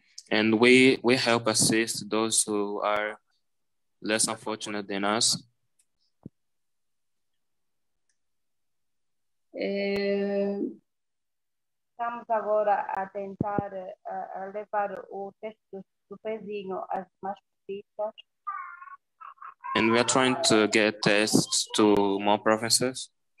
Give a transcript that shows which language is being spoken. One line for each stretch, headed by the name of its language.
English: And we help assist those who are less unfortunate than us.
Portuguese: Estamos agora a tentar a levar o teste do pezinho às mais pessoas.
English: And we are trying to get tests to more provinces.